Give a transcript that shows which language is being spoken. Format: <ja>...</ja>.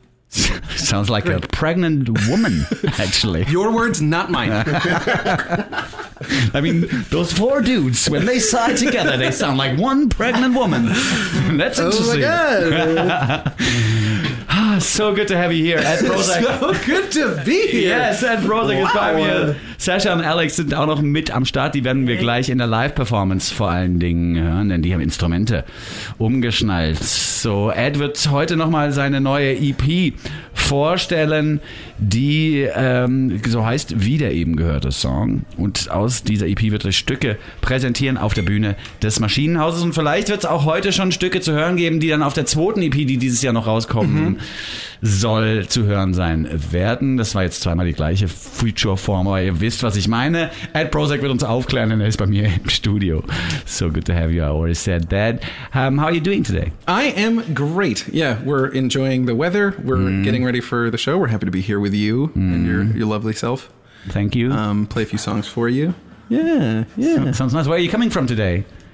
<en>Sounds like a pregnant woman, actually. Your words, not mine. I mean, those four dudes, when they sigh together, they sound like one pregnant woman. That's interesting. Oh, my God. So good to have you here, Ed Prozac. So good to be here. Yes, Ed Prozac is by me.</en> <de>Sascha und Alex sind auch noch mit am Start. Die werden wir gleich in der Live-Performance vor allen Dingen hören, denn die haben Instrumente umgeschnallt. So, Ed wird heute nochmal seine neue EP vorstellen, die so heißt, wie der eben gehörte Song. Und aus dieser EP wird er Stücke präsentieren auf der Bühne des Maschinenhauses. Und vielleicht wird es auch heute schon Stücke zu hören geben, die dann auf der zweiten EP, die dieses Jahr noch rauskommen, soll zu hören sein werden. Das war jetzt zweimal die gleiche Feature-Form, aber ihr wisst, was ich meine. Ed Prozac wird uns aufklären, denn er ist bei mir im Studio.</de> <en>So good to have you. I already said that. How are you doing today? I am great. Yeah, we're enjoying the weather. We're getting ready for the show. We're happy to be here with you and your lovely self. Thank you. Play a few songs for you. Yeah. Sounds nice. Where are you coming from today?</en>